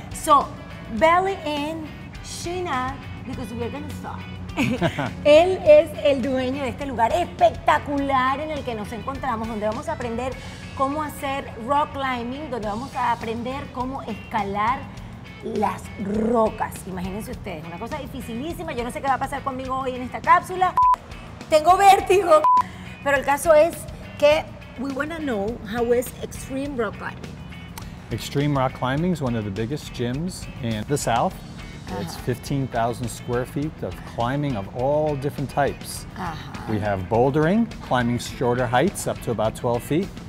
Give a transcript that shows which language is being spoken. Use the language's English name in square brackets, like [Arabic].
[English] So, belly in, chin out, because we're going to start. [Spanish] Él es el dueño de este lugar espectacular en el que nos encontramos, donde vamos a aprender cómo hacer rock climbing, donde vamos a aprender cómo escalar las rocas. Imagínense ustedes, una cosa dificilísima. Yo no sé qué va a pasar conmigo hoy en esta cápsula. Tengo vértigo. Pero el caso es que [English] we want to know how is extreme rock climbing. Extreme rock climbing is one of the biggest gyms in the South. Uh-huh. It's 15,000 square feet of climbing of all different types. Uh-huh. We have bouldering, climbing shorter heights up to about 12 feet.